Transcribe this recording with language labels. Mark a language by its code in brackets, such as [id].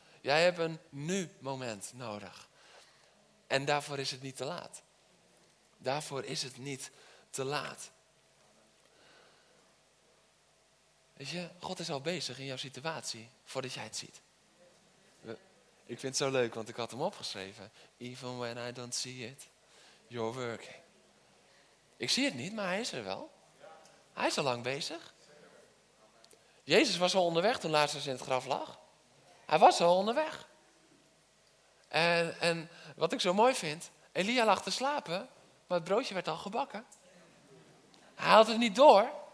[nl] Jij hebt een nu-moment nodig. En daarvoor is het niet te laat. Daarvoor is het niet te laat. Weet je, God is al bezig in jouw situatie voordat jij het ziet. Ik vind het zo leuk, want ik had hem opgeschreven. [en] Even when I don't see it, you're working. [nl] Ik zie het niet, maar hij is er wel. Hij is al lang bezig. Jezus was al onderweg toen Lazarus in het graf lag. Hij was al onderweg. En wat ik zo mooi vind, Elia lag te slapen, maar het broodje werd al gebakken. Hij had het niet door.